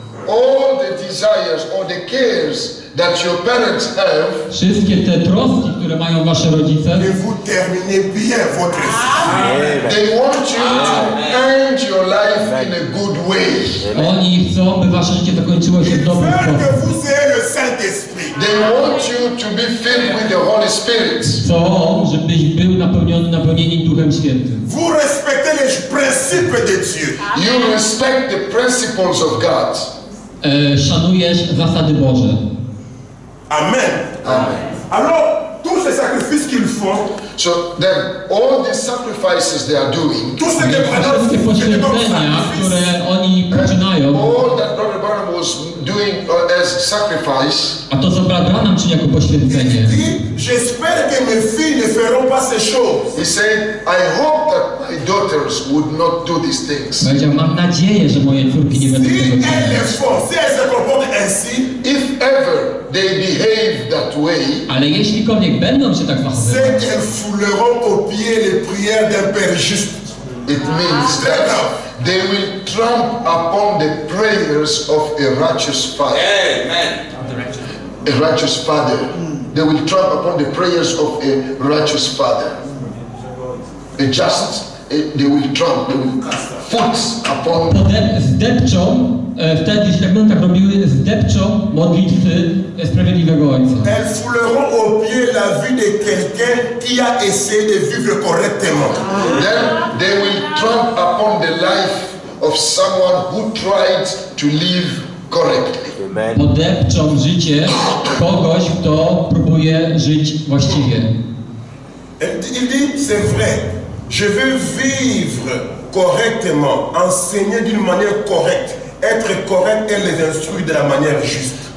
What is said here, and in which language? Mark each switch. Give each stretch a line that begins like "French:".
English: All the desires or the cares that your parents have.
Polish: Wszystkie te troski, które mają wasze rodzice.
French: Nie vous terminez bien votre vie.
English: They want you to end your life in a good way.
Polish: Oni chcą, by wasze życie zakończyło się w dobry sposób.
English: They want you to be filled with the Holy Spirit.
Polish: Chcą, żebyś był napełniony, napełnieni Duchem Świętym.
French: Vous respectez les principes de Dieu.
English: You respect the principles of God.
Polish: Szanujesz zasady Boże. Amen. Amen.
French: Alors, tous les sacrifices qu'ils font,
English: so then, all the sacrifices they are doing,
Polish: wszystkie poświęcenia, które oni poczynają,
English: all that Brother Branham was doing as sacrifice,
Polish: a to co Brother Branham czyni jako poświęcenie,
French: j'espère que mes filles ne feront pas ces choses.
English: He said, I hope that my daughters would not do these things.
Polish: Mam nadzieję, że moje córki nie będą tego czynić.
English: If ever they behave that way,
Polish: ale jeśliwiek będą się tak zachowywać,
French: c'est qu'ils fouleront au pied les prières d'un père juste.
English: It means that they will trump upon the prayers of a righteous father. Amen. A righteous father. They will trump upon the prayers of a righteous father. A just, they will trump, they will foot upon.
Polish: Zdepczą, wtedy, jeśli tak będą tak robiły, zdepczą modlitwy sprawiedliwego ojca.
French: Elles fouleront au pied la vie de quelqu'un qui a essayé de vivre correctement.
English: Then they will trump upon the life of someone who tried to live correctly.
Polish: Podepczą życie kogoś, kto próbuje żyć właściwie.
French: Il dit, c'est vrai, je veux vivre correctement, enseigner d'une manière correcte, être correct et les instruire de la manière juste.